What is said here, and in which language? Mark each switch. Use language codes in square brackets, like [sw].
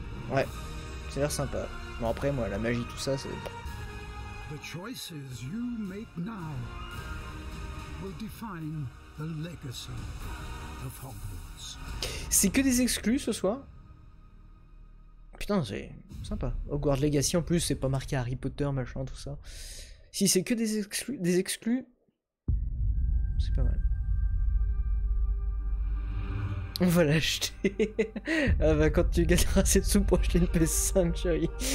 [fr] Ouais, ça a l'air sympa. Bon, après, moi, la magie, tout ça, c'est. [en] The choices you make now will define the legacy of Hogwarts. [fr] C'est que des exclus ce soir. Putain, c'est sympa. Hogwarts Legacy en plus, c'est pas marqué Harry Potter, machin, tout ça. Si c'est que des exclus, c'est pas mal. On va l'acheter. Ah bah, quand tu gagneras assez de sous pour acheter une PS5, chérie.